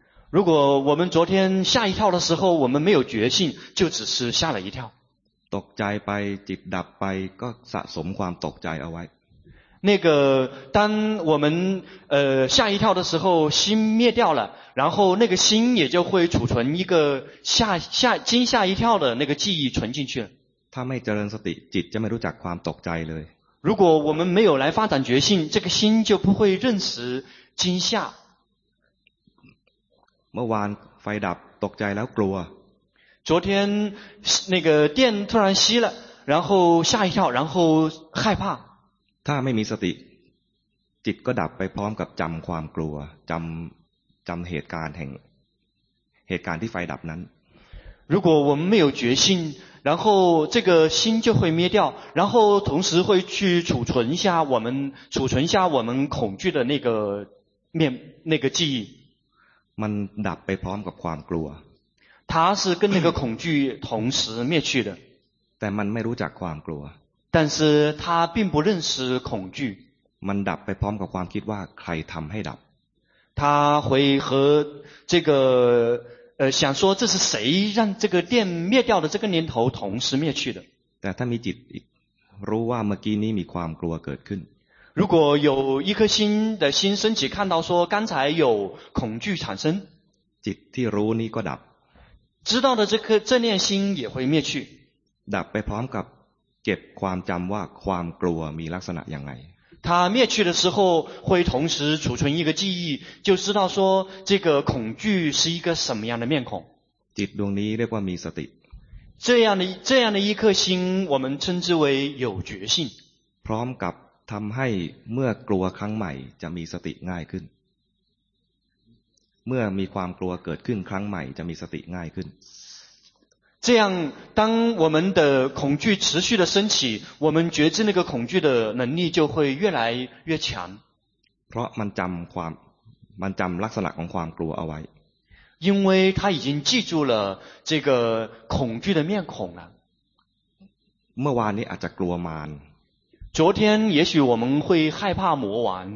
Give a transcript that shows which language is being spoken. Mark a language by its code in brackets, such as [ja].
[zh] 如果我们昨天吓一跳的时候，我们没有觉性，就只是吓了一跳。 [th] ตกใจไปจิตดับไปก็สะสมความตกใจเอาไว้。 [zh] 那个当我们吓一跳的时候，心灭掉了，然后那个心也就会储存一个惊吓一跳的那个记忆存进去了。 [th] ถ้าไม่เจริญสติจิตจะไม่รู้จักความตกใจเลย。 [zh] 如果我们没有来发展觉性，这个心就不会认识惊吓。 [th] เมื่อวานไฟดับตกใจแล้วกลัว [zh] 昨天那个电突然熄了然后吓一跳然后害怕 [th] ถ้าไม่มีสติจิตก็ดับไปพร้อมกับจำความกลัวจำเหตุการณ์แห่งเหตุการณ์ที่ไฟดับนั้น [zh] 如果我们没有决心然后这个心就会灭掉然后同时会去储存一下我们恐惧的那个记忆 [th] มันดับไปพร้อมกับความกลัว [zh] 它是跟那个恐惧同时灭去的 [th] แต่มันไม่รู้จักความกลัว [zh] 但是它并不认识恐惧 [th] มันดับไปพร้อมกับความคิดว่าใครทำให้ดับ [zh] 它会和这个想说这是谁让这个电灭掉的这个念头同时灭去的 [th] แต่ถ้ามีจิตรู้ว่าเมื่อกี้นี้มีความกลัวเกิดขึ้น [zh] 如果有一颗心的心升起看到说刚才有恐惧产生 [th] จิตที่รู้นี้ก็ดับ [zh] 知道的这念心也会灭去 [th] ดับไปพร้อมกับเก็บความจำว่าความกลัวมีลักษณะอย่างไร [zh] 它灭去的时候会同时储存一个记忆就知道说这个恐惧是一个什么样的面孔 [th] จิตดวงนี้เรียกว่ามีสติ [zh] 这样的一颗心我们称之为有觉性 [th] พร้อมกับทำให้เมื่อกลัวครั้งใหม่จะมีสติง่ายขึ้นเมื่อมีความกลัวเกิดขึ้นครั้งใหม่จะมีสติง่ายขึ้น [zh] 这样当我们的恐惧持续的升起我们觉知那个恐惧的能力就会越来越强 [th] เพราะมันจำลักษณะของความกลัวเอาไว้ [zh] 因为他已经记住了这个恐惧的面孔了 [th] เมื่อวานนี้อาจจะกลัวมาร [zh] 昨天也许我们会害怕魔王